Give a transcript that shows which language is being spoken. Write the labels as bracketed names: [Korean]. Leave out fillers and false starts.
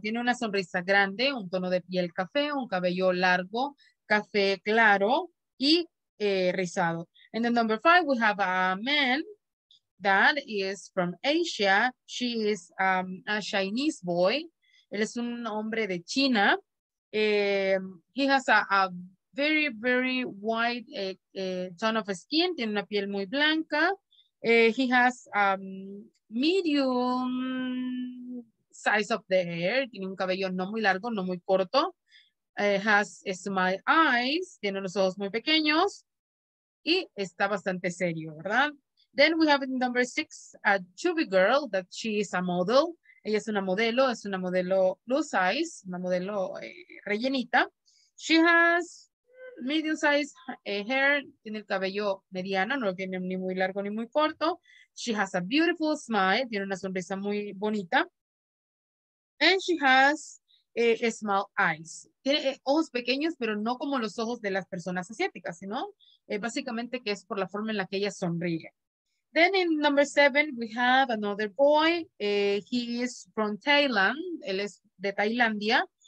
[Spanish] Tiene una sonrisa grande, un tono de piel café, un cabello largo, café claro y rizado. [English] And the number five, we have a man. That is from Asia. She is a Chinese boy. [Spanish] Él es un hombre de China. [English] He has a very, very white tone of skin. [Spanish] Tiene una piel muy blanca. [English] He has medium size of the hair. [Spanish] Tiene un cabello no muy largo, no muy corto. [English] Has small eyes. [Spanish] Tiene los ojos muy pequeños. Y está bastante serio, ¿verdad? [English] Then we have in number six, a chubby girl, that she is a model. [Spanish] Ella es una modelo plus size, una modelo rellenita. [English] She has medium size hair, [Spanish] tiene el cabello mediano, no tiene ni muy largo ni muy corto. [English] She has a beautiful smile, [Spanish] tiene una sonrisa muy bonita. [English] And she has small eyes. [Spanish] Tiene ojos pequeños, pero no como los ojos de las personas asiáticas, sino básicamente que es por la forma en la que ella sonríe. [English] Then in number seven, we have another boy. He is from Thailand. [Spanish] Él es de Tailandia.